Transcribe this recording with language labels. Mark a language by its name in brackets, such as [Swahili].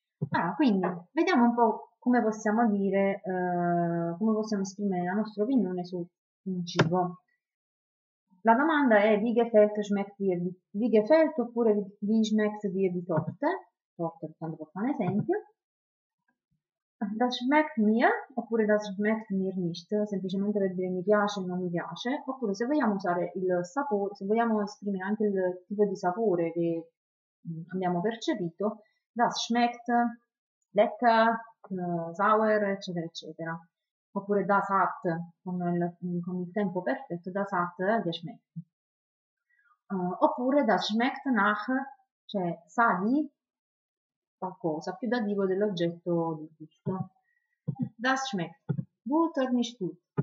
[Italian] Allora, quindi, vediamo un po' come possiamo dire, come possiamo esprimere la nostra opinione su un cibo. La domanda è, [German] wie gefällt dir die Torte? Oppure, wie schmeckt dir die Torte? [Italian] Torte, tanto per fare un esempio. [German] Das schmeckt mir, [Italian] oppure [German] das schmeckt mir nicht, [Italian] semplicemente per dire mi piace o non mi piace, oppure se vogliamo usare il sapore, se vogliamo esprimere anche il tipo di sapore che abbiamo percepito, [German] das schmeckt, lecker, [Italian] sour, eccetera, eccetera. Oppure das hat, con il tempo perfetto, [German] das hat, geschmeckt. [Italian] Oppure [German] das schmeckt nach, [Italian] cioè sa di, qualcosa, più dativo dell'oggetto di gusto. [German] Das schmeckt gut oder nicht gut?